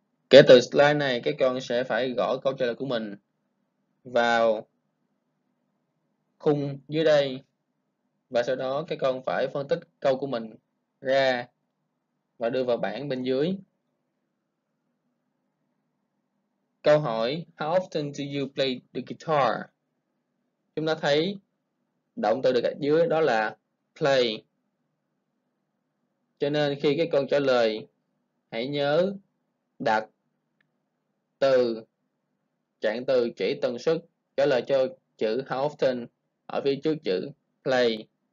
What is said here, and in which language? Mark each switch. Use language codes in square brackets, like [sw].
[vi] Kể từ slide này, các con sẽ phải gõ câu trả lời của mình vào khung dưới đây và sau đó các con phải phân tích câu của mình ra và đưa vào bảng bên dưới. Câu hỏi: [en] How often do you play the guitar? [vi] Chúng ta thấy động từ được ở dưới đó là play. Cho nên khi các con trả lời, hãy nhớ đặt từ trạng từ chỉ tần suất trả lời cho chữ how often ở phía trước chữ play.